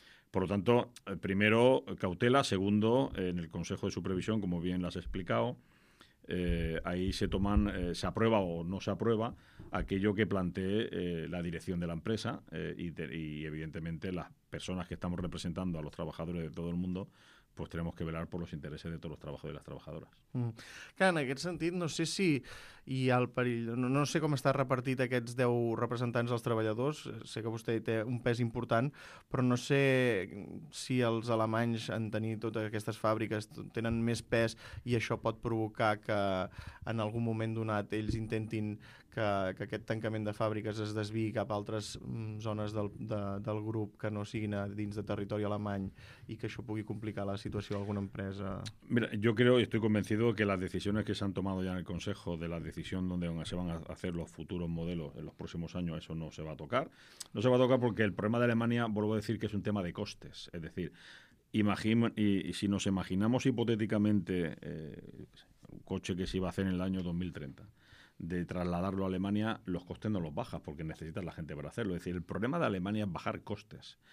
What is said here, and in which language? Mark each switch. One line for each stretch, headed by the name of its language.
Spanish: Por lo tanto, primero, cautela. Segundo, en el Consejo de Supervisión, como bien lo has explicado, ahí se aprueba o no se aprueba aquello que plantee la dirección de la empresa y evidentemente las personas que estamos representando a los trabajadores de todo el mundo, pues tenemos que velar por los intereses de todos los trabajadores y las trabajadoras.
Catalan: Clar, en aquest sentit, no sé si hi ha el perill, no sé com està repartit aquests 10 representants dels treballadors, sé que vostè té un pes important, però no sé si els alemanys en tenir totes aquestes fàbriques tenen més pes i això pot provocar que en algun moment donat ells intentin que aquest tancament de fàbriques es desviï cap a altres zones del grup que no siguin dins de territori alemany i que això pugui complicar la situació d'alguna empresa.
Spanish: Mira, yo creo y estoy convencido que las decisiones que se han tomado ya en el Consejo de la decisión donde se van a hacer los futuros modelos en los próximos años, eso no se va a tocar. No se va a tocar porque el problema de Alemania, vuelvo a decir, que es un tema de costes. Es decir, si nos imaginamos hipotéticamente un coche que se iba a hacer en el año 2030, de trasladarlo a Alemania, los costes no los bajas porque necesitas la gente para hacerlo. Es decir, el problema de Alemania es bajar costes.